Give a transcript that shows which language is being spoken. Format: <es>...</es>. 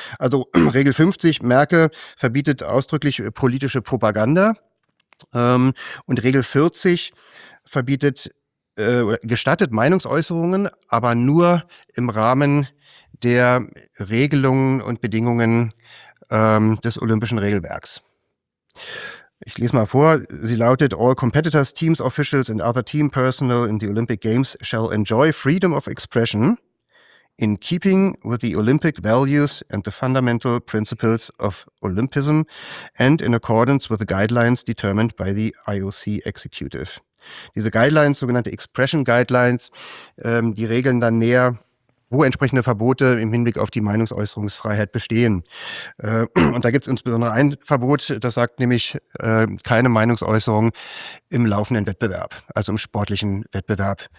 <de>Also Regel 50, merke, verbietet ausdrücklich politische Propaganda. Und Regel 40 verbietet, gestattet Meinungsäußerungen, aber nur im Rahmen der Regelungen und Bedingungen des Olympischen Regelwerks. Ich lese mal vor, sie lautet:</de> <en>All competitors, teams, officials and other team personnel in the Olympic Games shall enjoy freedom of expression in keeping with the Olympic values and the fundamental principles of Olympism and in accordance with the guidelines determined by the IOC executive.</en> <de>Diese Guidelines, sogenannte Expression Guidelines, die regeln dann näher, wo entsprechende Verbote im Hinblick auf die Meinungsäußerungsfreiheit bestehen. Und da gibt es insbesondere ein Verbot, das sagt nämlich keine Meinungsäußerung im laufenden Wettbewerb, also im sportlichen Wettbewerb.</de>